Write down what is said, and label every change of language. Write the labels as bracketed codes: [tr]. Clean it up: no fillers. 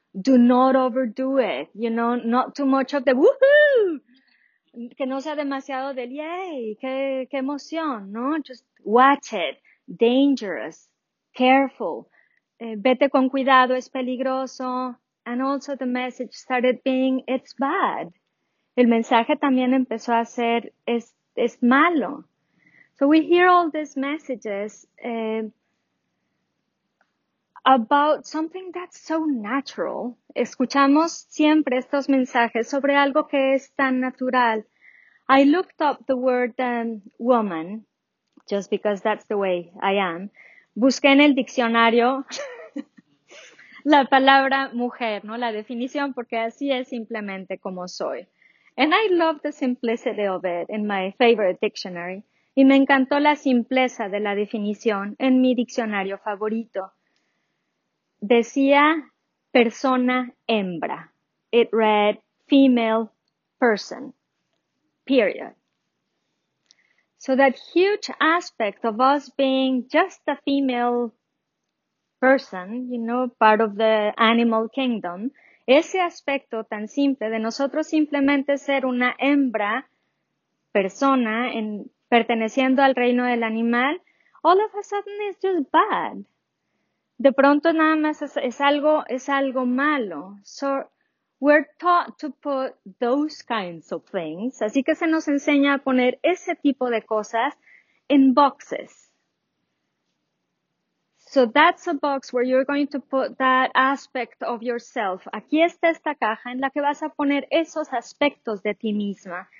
[en] Do not overdo it, you know, not too much of the woohoo, [es] que no sea demasiado del yay, qué emoción, ¿no? [en] Just watch it, dangerous, careful, [es] vete con cuidado, es peligroso. [en] And also the message started being, it's bad. [es] El mensaje también empezó a ser, es malo. [en] So we hear all these messages, about something that's so natural. [es] Escuchamos siempre estos mensajes sobre algo que es tan natural. [en] I looked up the word woman, just because that's the way I am. [es] Busqué en el diccionario la palabra mujer, ¿no? La definición, porque así es simplemente como soy. [en] And I love the simplicity of it in my favorite dictionary. [es] Y me encantó la simpleza de la definición en mi diccionario favorito. Decía persona hembra. [en] It read female person, period. So that huge aspect of us being just a female person, you know, part of the animal kingdom, [es] ese aspecto tan simple de nosotros simplemente ser una hembra, persona, perteneciendo al reino del animal, [en] all of a sudden is just bad. [es] De pronto nada más es algo malo. [en] So we're taught to put those kinds of things. [es] Así que se nos enseña a poner ese tipo de cosas [en] in boxes. So that's a box where you're going to put that aspect of yourself. [es] Aquí está esta caja en la que vas a poner esos aspectos de ti misma.